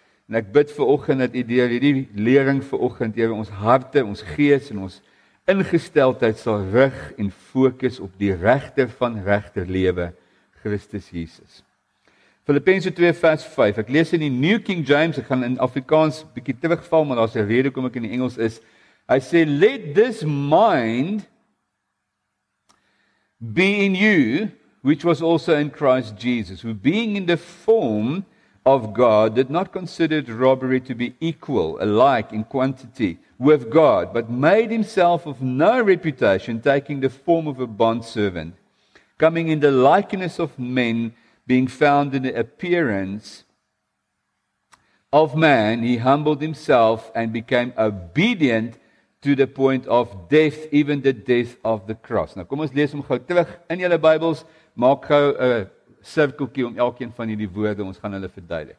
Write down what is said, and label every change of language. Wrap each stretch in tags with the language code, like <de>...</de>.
<af>En ek bid vanoggend dat U deur hierdie lering vanoggend, Here, ons harte, ons gees en ons ingesteldheid sal rig en fokus op die regter van regter lewe, Christus Jesus. Filippense 2:5. Ek lees in die New King James, ek gaan in Afrikaans bietjie terugval, maar daar's 'n rede hoekom ek in die Engels is. Hy sê</af> <en>let this mind be in you which was also in Christ Jesus, who being in the form of God, did not consider it robbery to be equal, alike in quantity, with God, but made himself of no reputation, taking the form of a bondservant, coming in the likeness of men, being found in the appearance of man, he humbled himself and became obedient to the point of death, even the death of the cross.</en> <af>Nou kom ons lees hom gou terug in julle Bybels, maak gou 'n sirkeltjie om elkeen van hierdie woorde, ons gaan hulle verduidelik.</af>